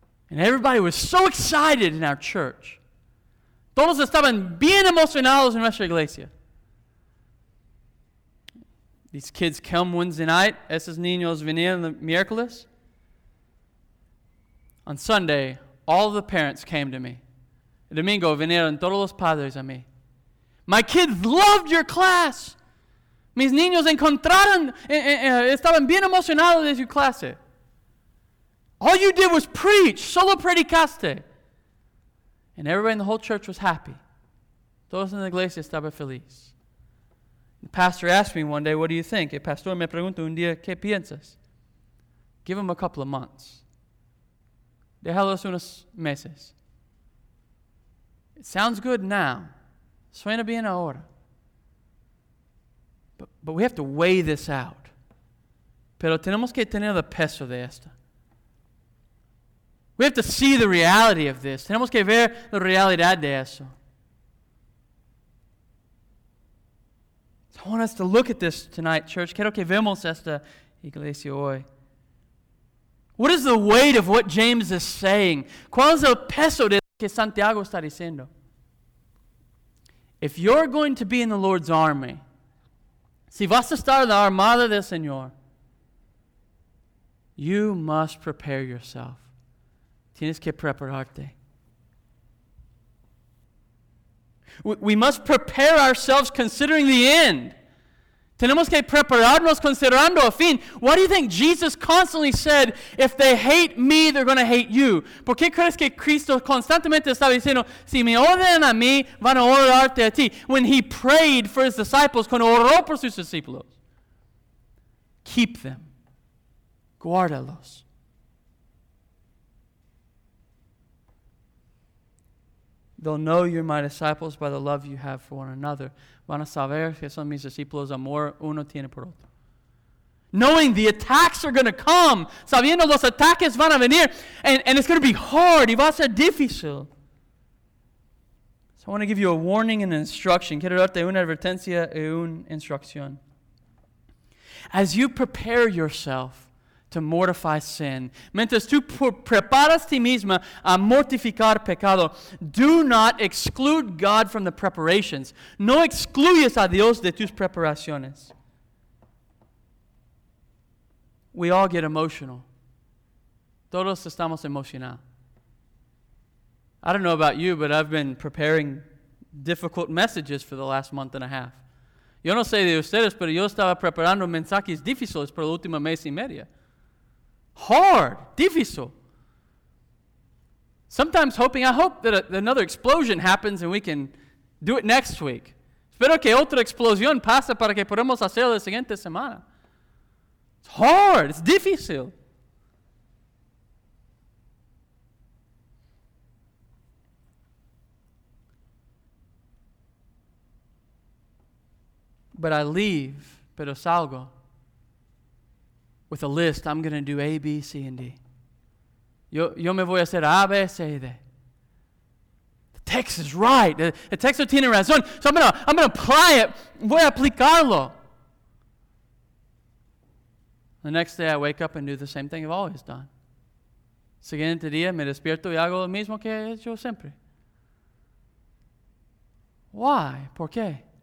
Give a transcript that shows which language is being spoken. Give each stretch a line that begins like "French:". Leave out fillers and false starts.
English: And everybody was so excited in our church.
Spanish: Todos estaban bien emocionados en nuestra iglesia.
English: These kids come Wednesday night.
Spanish: Esos niños venían el miércoles.
English: On Sunday, all the parents came to me.
Spanish: El domingo, vinieron todos los padres a mí.
English: My kids loved your class.
Spanish: Mis niños encontraron, estaban bien emocionados de su clase.
English: All you did was preach,
Spanish: solo predicaste.
English: And everybody in the whole church was happy.
Spanish: Todos en la iglesia estaban felices.
English: The pastor asked me one day, what do you think?
Spanish: El pastor me pregunta un día, ¿qué piensas?
English: Give him a couple of months.
Spanish: Déjalos unos meses.
English: It sounds good now.
Spanish: Suena bien ahora.
English: But we have to weigh this out.
Spanish: Pero tenemos que tener el peso de esto.
English: We have to see the reality of this.
Spanish: Tenemos que ver la realidad de eso.
English: I want us to look at this tonight, church.
Spanish: Quiero que vemos esta iglesia hoy.
English: What is the weight of what James is saying?
Spanish: ¿Cuál es el peso de lo que Santiago está diciendo?
English: If you're going to be in the Lord's army,
Spanish: si vas a estar en la armada del Señor,
English: you must prepare yourself.
Spanish: Tienes que prepararte.
English: We must prepare ourselves considering the end.
Spanish: Tenemos que prepararnos considerando el fin.
English: Why do you think Jesus constantly said, if they hate me, they're going to hate you?
Spanish: ¿Por qué crees que Cristo constantemente estaba diciendo, si me odian a mí, van a odiarte a ti?
English: When he prayed for his disciples,
Spanish: cuando oró por sus discípulos.
English: Keep them.
Spanish: Guárdalos.
English: They'll know you're my disciples by the love you have for one another.
Spanish: Van a saber que son mis discípulos amor uno tiene por otro.
English: Knowing the attacks are going to come.
Spanish: Sabiendo los ataques van a venir.
English: And it's going to be hard.
Spanish: Y va a ser difícil.
English: So I want to give you a warning and an instruction.
Spanish: Quiero darte una advertencia y una instrucción.
English: As you prepare yourself to mortify sin.
Spanish: Mientras tú preparas ti misma a mortificar pecado,
English: do not exclude God from the preparations.
Spanish: No excluyes a Dios de tus preparaciones.
English: We all get emotional.
Spanish: Todos estamos emocionados.
English: I don't know about you, but I've been preparing difficult messages for the last month and a half.
Spanish: Yo no sé de ustedes, pero yo estaba preparando mensajes difíciles por el último mes y medio.
English: Hard, difícil. Sometimes hoping, I hope that another explosion happens and we can do it next week.
Spanish: Espero que otra explosión pase para que podamos hacer la siguiente semana.
English: It's hard, it's difícil. But I leave,
Spanish: pero salgo.
English: With a list, I'm going to do A, B, C, and D.
Spanish: Yo me voy a hacer A, B, C, y D.
English: The text is right.
Spanish: The texto tiene razón.
English: So I'm going to apply it.
Spanish: Voy a aplicarlo.
English: The next day, I wake up and do the same thing I've always done.
Spanish: Siguiente día, me despierto y hago lo mismo que he hecho siempre. Why? ¿Por qué?